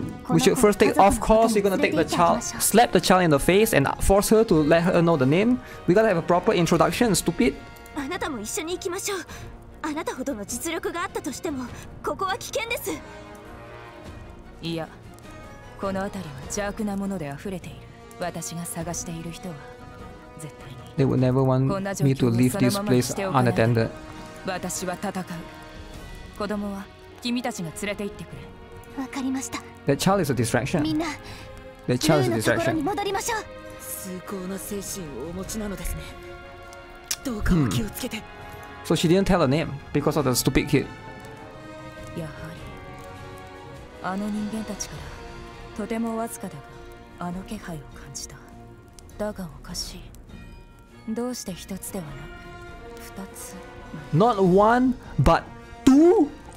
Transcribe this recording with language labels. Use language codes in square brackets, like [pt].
[en] We should first take, of course, you're gonna take the child, slap the child in the face and force her to let her know the name. We gotta have a proper introduction, stupid. [ja] あなたも一緒に行きましょう。あなたほどの実力があったとしてもここは危険です。いや、この辺りは邪悪なもので溢れている。私が探している人は絶対に。 [en] They would never want me to leave this place unattended. [ja] 私は戦う。子供は君たちが連れて行ってくれ。わかりました。 [en] The child is a distraction. [ja] みんな、 [en] The child is a distraction. [ja] ルーのところに戻りましょう。崇高な精神をお持ちなのですね。どうかも気をつけて。 [en] So she didn't tell her name because of the stupid kid. [ja] やはりあの人間たちからとてもわずかだがあの気配を感じた。だがおかしい。どうして一つではなく二つ。 [en] Not one but two.